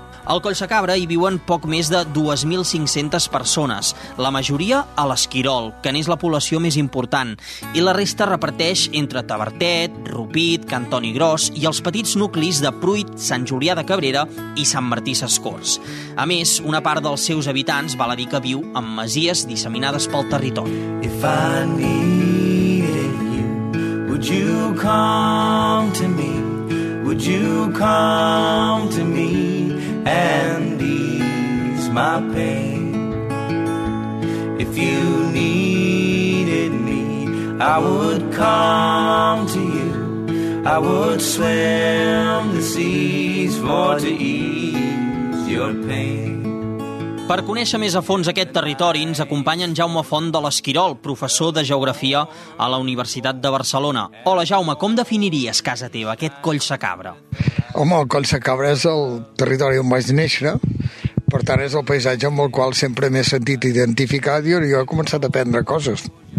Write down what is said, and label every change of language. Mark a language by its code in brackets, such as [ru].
[ca] Al Coll sacabra hi viuen poc més de 2.500 persones, la majoria a l'Esquirol, que n'és la població més important, i la resta reparteix entre Tavertet, Rupit, Cantoni Gros i els petits nuclis de Pruit, Sant Julià de Cabrera i Sant Martí Sescors. A més, una part dels seus habitants val a dir que viu en masies disseminades pel territori. [en] If I needed you, would you come to me? Would you come to me? And ease my pain. If you needed me, I would come to you. I would swim the seas for to ease your pain. [ca] Per conèixer més a fons aquest territori, ens acompanya en Jaume Font de l'Esquirol, professor de Geografia a la Universitat de Barcelona. Hola, Jaume, com definiries casa teva, aquest coll sacabra? Home, el coll sacabra és el territori on vaig néixer, per tant, és el paisatge amb el qual sempre m'he sentit identificat i jo he començat a aprendre coses.